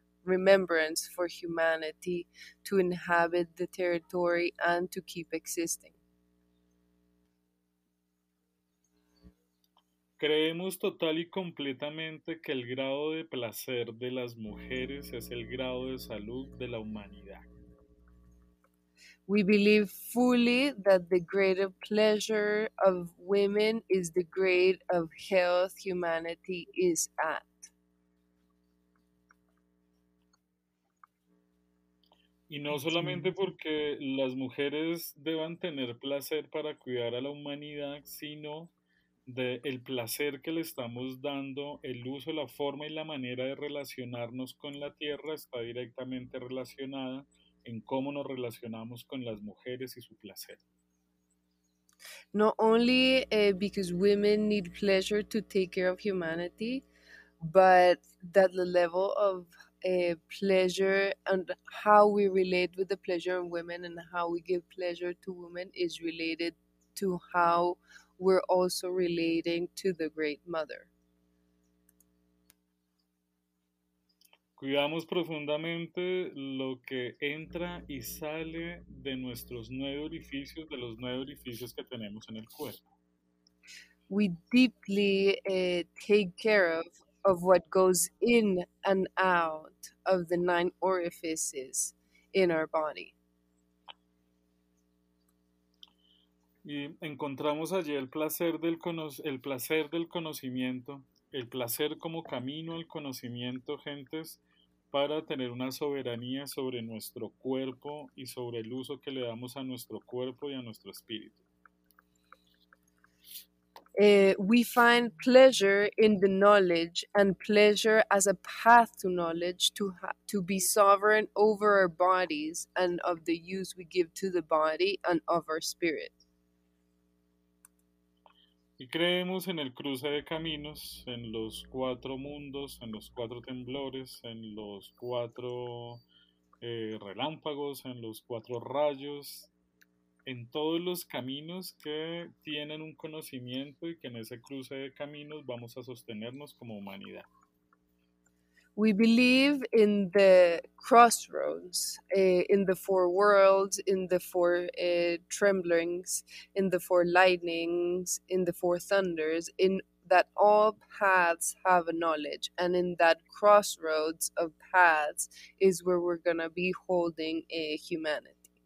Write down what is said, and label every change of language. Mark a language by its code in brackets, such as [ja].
[en] remembrance for humanity to inhabit the territory and to keep existing. [es] Creemos total y completamente que el grado de placer de las mujeres es el grado de salud de la humanidad. [en] We believe fully that the grade of pleasure of women is the grade of health humanity is at. [es] Y no solamente porque las mujeres deban tener placer para cuidar a la humanidad, sino de el placer que le estamos dando, el uso, la forma y la manera de relacionarnos con la tierra está directamente relacionada en cómo nos relacionamos con las mujeres y su placer. [en] Not only because women need pleasure to take care of humanity, but that the level of pleasure and how we relate with the pleasure of women and how we give pleasure to women is related to how we're also relating to the Great Mother. [es] Cuidamos profundamente lo que entra y sale de nuestros nueve orificios, de los nueve orificios que tenemos en el cuerpo. [en] We deeply take care of what goes in and out of the nine orifices in our body. [es] Y encontramos allí el placer del conocimiento, el placer como camino al conocimiento, gentes, para tener una soberanía sobre nuestro cuerpo y sobre el uso que le damos a nuestro cuerpo y a nuestro espíritu. [en] We find pleasure in the knowledge and pleasure as a path to knowledge to be sovereign over our bodies and of the use we give to the body and of our spirit. [es] Y creemos en el cruce de caminos, en los cuatro mundos, en los cuatro temblores, en los cuatro relámpagos, en los cuatro rayos, en todos los caminos que tienen un conocimiento y que en ese cruce de caminos vamos a sostenernos como humanidad. [en] We believe in the crossroads, in the four worlds, in the four tremblings, in the four lightnings, in the four thunders, in that all paths have a knowledge, and in that crossroads of paths is where we're going to be holding a humanity.